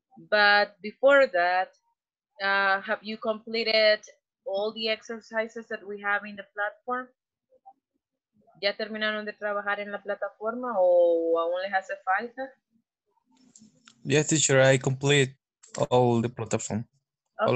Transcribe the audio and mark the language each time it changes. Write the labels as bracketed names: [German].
[English] But before that, have you completed all the exercises that we have in the platform? [Spanish] ¿Ya terminaron de trabajar en la plataforma o aún les hace falta? [English] Yes, teacher, I complete all the platform, okay.